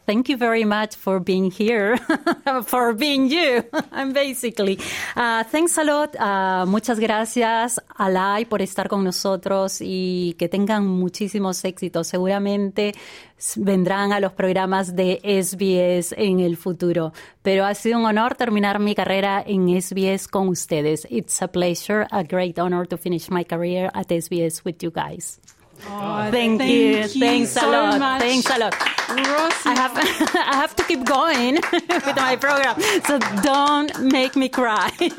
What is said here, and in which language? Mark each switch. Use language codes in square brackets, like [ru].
[en] Thank you very much for being here, for being you, basically. Thanks a lot. [es] Muchas gracias, Alay, por estar con nosotros y que tengan muchísimos éxitos. Seguramente vendrán a los programas de SBS en el futuro. Pero ha sido un honor terminar mi carrera en SBS con ustedes. [en] It's a pleasure, a great honor to finish my career at SBS with you guys. Thank you so much. Thanks a lot. I have to keep going with my program, so don't make me cry.